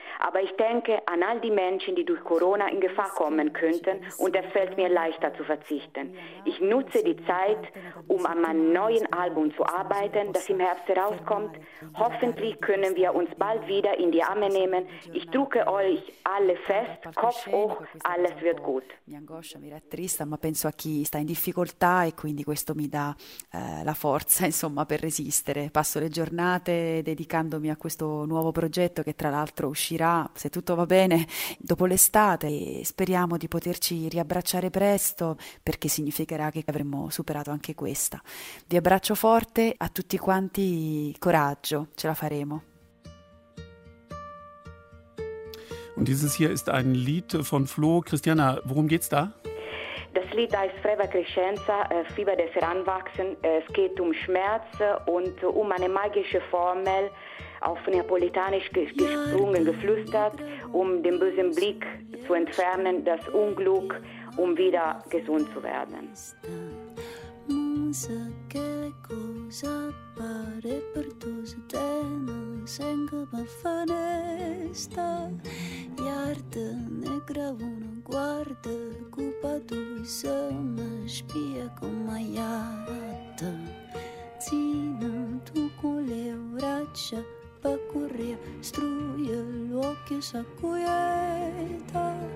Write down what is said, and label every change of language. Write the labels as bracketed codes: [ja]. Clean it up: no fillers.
[de] Aber ich denke an all die Menschen, die durch Corona in Gefahr kommen könnten und es fällt mir leichter zu verzichten. Ich nutze die Zeit, um an meinem neuen Album zu arbeiten, das im Herbst herauskommt. Hoffentlich können wir uns bald wieder in die Arme nehmen, Ich drücke euch alle fest, Kopf hoch, alles wird gut. [it] Mi angoscia, mi rattrista, ma penso a chi sta in difficoltà e quindi questo mi dà la forza, insomma, per resistere. Passo le giornate dedicandomi a questo nuovo progetto che tra l'altro uscirà, se tutto va bene, dopo l'estate e speriamo di poterci riabbracciare presto perché significherà che avremo superato anche questa. Vi abbraccio forte, a tutti quanti coraggio, ce la faremo. [de] Und dieses hier ist ein Lied von Flo. Christiana, worum geht's da? Das Lied heißt Freva Crescenza, Fieber des Heranwachsen. Es geht um Schmerz und um eine magische Formel, auf Neapolitanisch gesprungen, geflüstert, um den bösen Blick zu entfernen, das Unglück, um wieder gesund zu werden. Musa, che cosa pare per tu se te non sengo pa fanesta Iarte negra una guarda cupa tu se me spia con maiata Zina tu con le braccia pa curria struia l'occhio sa cuieta